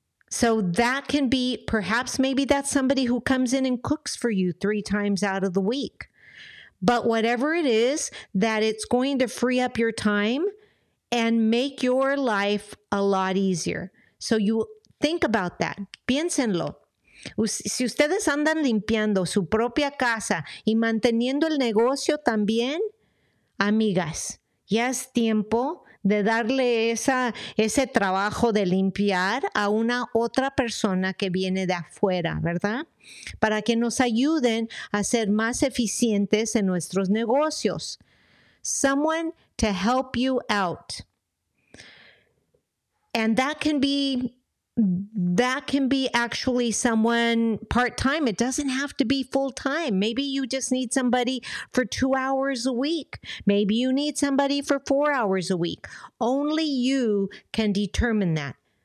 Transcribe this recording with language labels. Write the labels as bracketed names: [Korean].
[English] So that can be, perhaps maybe that's somebody who comes in and cooks for you three times out of the week. But whatever it is, that it's going to free up your time and make your life a lot easier. So you think about that. [Spanish] Piénsenlo. Si ustedes andan limpiando su propia casa y manteniendo el negocio también, amigas, ya es tiempo de darle ese trabajo de limpiar a una otra persona que viene de afuera, ¿verdad? Para que nos ayuden a ser más eficientes en nuestros negocios. [English] Someone to help you out. And that can be actually someone part-time. It doesn't have to be full-time. Maybe you just need somebody for 2 hours a week. Maybe you need somebody for 4 hours a week. Only you can determine that.